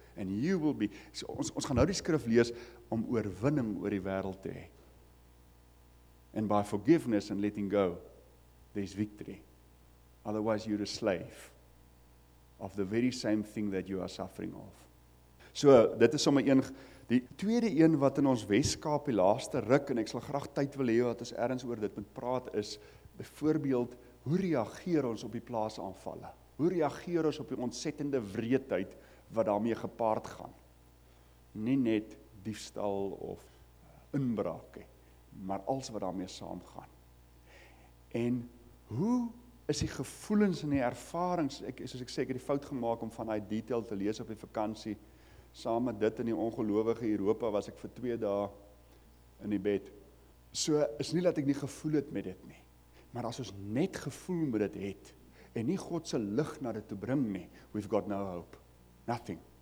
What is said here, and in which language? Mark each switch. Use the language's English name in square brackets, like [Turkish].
[English] And you will be, [Afrikaans] so ons gaan nou die skrif lees om oorwinning oor die wêreld te hê. [English] And by forgiveness and letting go, there is victory. Otherwise you're a slave of the very same thing that you are suffering of. [Afrikaans] So, dit is sommer een, die tweede een wat in ons Wes-Kaap die laaste ruk, en ek sal graag tyd wil hê dat ons ergens oor dit moet praat, is byvoorbeeld, hoe reageer ons op die plaasaanvalle? Hoe reageer ons op die ontsettende wreedheid wat daarmee gepaard gaan? Nie net diefstal of inbraak, maar alles wat daarmee saamgaan. En hoe is die gevoelens en die ervarings, soos ek sê, ek het die fout gemaak om van die detail te lees op die vakansie, saam met dit in die ongelowige Europa was ek vir 2 dae in die bed. So is nie dat ek nie gevoel het met dit nie, maar as ons net gevoel met dit het, en nie God se lig na dit te bring nie, [English] we've got no hope, nothing.